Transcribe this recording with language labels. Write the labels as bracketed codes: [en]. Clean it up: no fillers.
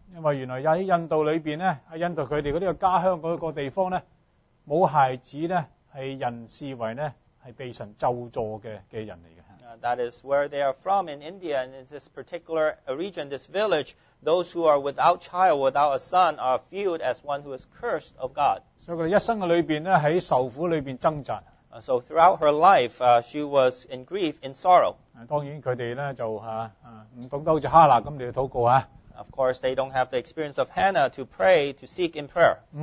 [zh] 因為原來喺印度裏面呢，喺印度佢哋嗰啲嘅家鄉嗰個地方呢，冇孩子呢，係人視為呢，係被神咒助嘅人嚟嘅。 [en] That is where they are from in India, and in this particular region, this village, those who are without child, without a son, are viewed as one who is cursed of God. [zh] 所以佢一生嘅裏面呢，喺受苦裏面掙扎。 [en] So throughout her life, she was in grief, in sorrow. [zh] 當然他們就不懂得像哈娜那樣禱告。 [en] Of course, they don't have the experience of Hannah to pray, to seek in prayer.